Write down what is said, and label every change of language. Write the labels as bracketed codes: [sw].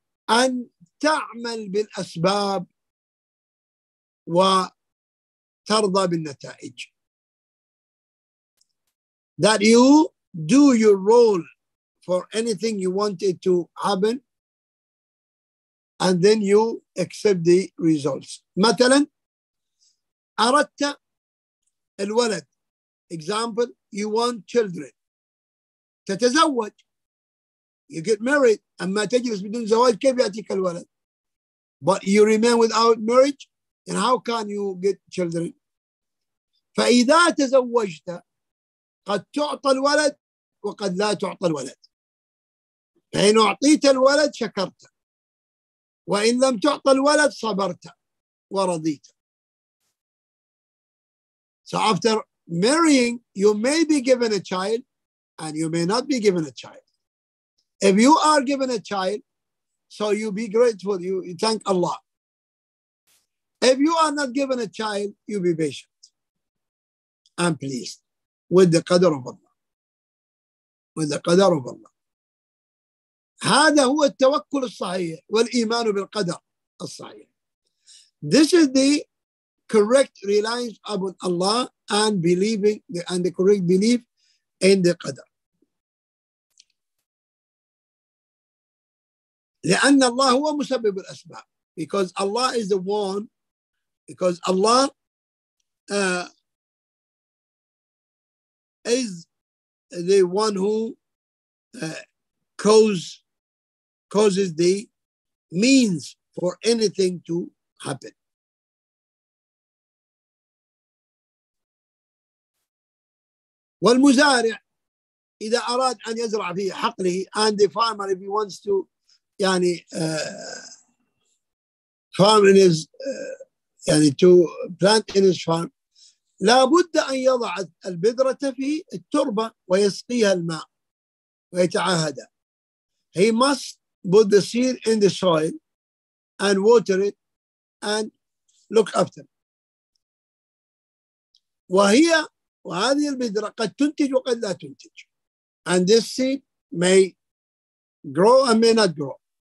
[ar] أن تعمل بالأسباب وترضى بالنتائج. [en] That you do your role for anything you want it to happen and then you accept the results. [ar] مثلا أردت الولد. [en] Example, you want children. [ar] تتزوج. [en] You get married. [ar] أما تجلس بدون زواج كيف يأتيك الولد؟ [en] But you remain without marriage, and how can you get children? [ar] فإذا تزوجت قد تعطى الولد وقد لا تعطى الولد. فإن أعطيت الولد شكرت وإن لم تعطى الولد صبرت ورضيت. [en] So after marrying, you may be given a child and you may not be given a child. If you are given a child, so you be grateful, you thank Allah. If you are not given a child, you be patient and pleased with the qadar of Allah. With the qadar of Allah. [ar] هذا هو التوكل الصحيح والإيمان بالقدر الصحيح. [en] This is the correct reliance upon Allah and believing the, and the correct belief in the qadar. [ar] لأن الله هو مسبب الأسباب. [en] Because Allah is the one, because Allah is the one who causes the means for anything to happen. [ar] والمزارع إذا أراد أن يزرع في حقله, [en] and the farmer if he wants to [ar] يعني [en] farm in his [ar] يعني [en] to plant in his farm, [ar] لا بد أن يضع البذرة في التربة ويسقيها الماء ويتعاهد. [en] He must put the seed in the soil and water it and look after it. [ar] وهي وهذه البذرة قد تنتج وقد لا تنتج. [en] And this seed may grow and may not grow.